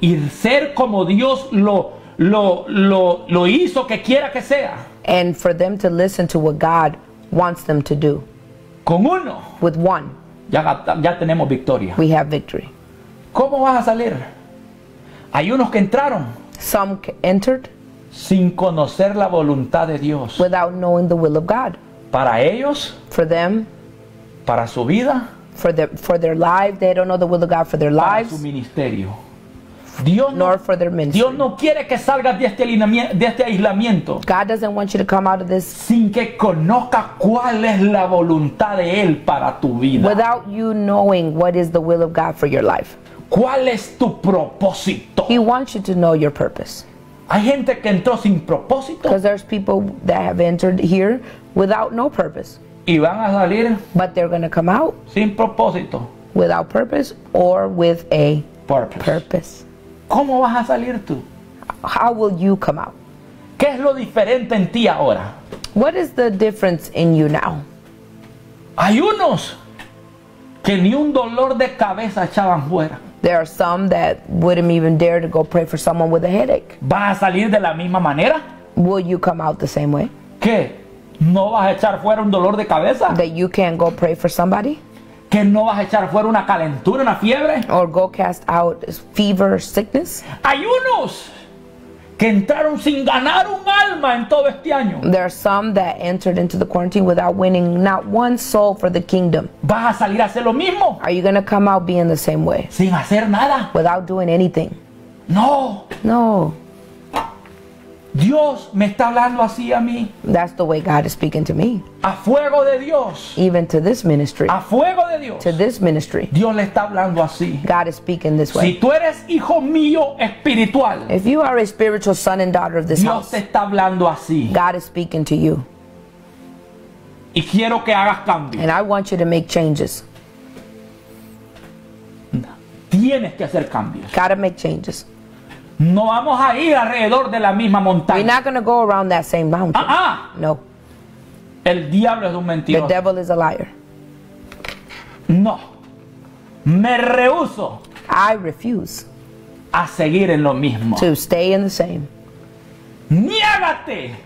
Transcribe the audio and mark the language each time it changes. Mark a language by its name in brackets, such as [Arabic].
[Spanish] y ser como Dios lo hizo que quiera que sea, [English] and for them to listen to what God wants them to do, [Spanish] con uno, [English] with one, [Spanish] ya tenemos victoria, [English] we have victory. [Spanish] ¿Cómo vas a salir? Hay unos que entraron, [English] some entered, [Spanish] sin conocer la voluntad de Dios, [English] without knowing the will of God. [Spanish] Para ellos, [English] for them, [Spanish] para su vida, [English] for their life, they don't know the will of God for their [Spanish] para [English] lives, [Spanish] su ministerio. Dios [English] nor for their ministry. [Spanish] Dios no quiere que salgas de este aislamiento. [English] God doesn't want you to come out of this [Spanish] sin que conozca cuál es la voluntad de él para tu vida. [English] Without you knowing what is the will of God for your life. [Spanish] ¿Cuál es tu propósito? [English] He wants you to know your purpose. [Spanish] Hay gente que entró sin propósito. [English] Because there's people that have entered here without no purpose. [Spanish] Y van a salir. [English] But they're going to come out. [Spanish] Sin propósito. [English] Without purpose or with a purpose. Purpose. [Spanish] ¿Cómo vas a salir tú? [English] How will you come out? [Spanish] ¿Qué es lo diferente en ti ahora? [English] What is the difference in you now? [Spanish] Hay unos que ni un dolor de cabeza echaban fuera. [English] There are some that wouldn't even dare to go pray for someone with a headache. [Spanish] ¿Vas a salir de la misma manera? [English] Will you come out the same way? [Spanish] ¿Qué? ¿No vas a echar fuera un dolor de cabeza? [English] That you can't go pray for somebody? [Spanish] ¿Que no vas a echar fuera una calentura, una fiebre? [English] Or go cast out fever, sickness? [Spanish] Hay unos que entraron sin ganar un alma en todo este año. [English] There are some that entered into the quarantine without winning not one soul for the kingdom. [Spanish] ¿Vas a salir a hacer lo mismo? [English] Are you going to come out being the same way? [Spanish] ¿Sin hacer nada? [English] Without doing anything. [Spanish] No. [English] No. [Spanish] Dios me está hablando así a mí. [English] That's the way God is speaking to me. [Spanish] A fuego de Dios. [English] Even to this ministry. [Spanish] A fuego de Dios. [English] To this ministry. [Spanish] Dios le está hablando así. [English] God is speaking this way. [Spanish] Si tú eres hijo mío espiritual. [English] If you are a spiritual son and daughter of this [Spanish] Dios [English] house. [Spanish] Dios te está hablando así. [English] God is speaking to you. [Spanish] Y quiero que hagas cambios. [English] And I want you to make changes. [Spanish] Tienes que hacer cambios. [English] Gotta make changes. [Spanish] No vamos a ir alrededor de la misma montaña. [English] We're not going to go around that same mountain. Ah, no. [Spanish] El diablo es un mentiroso. [English] The devil is a liar. [Spanish] No. Me rehúso. [English] I refuse. [Spanish] A seguir en lo mismo. [English] To stay in the same. [Spanish] Niégate.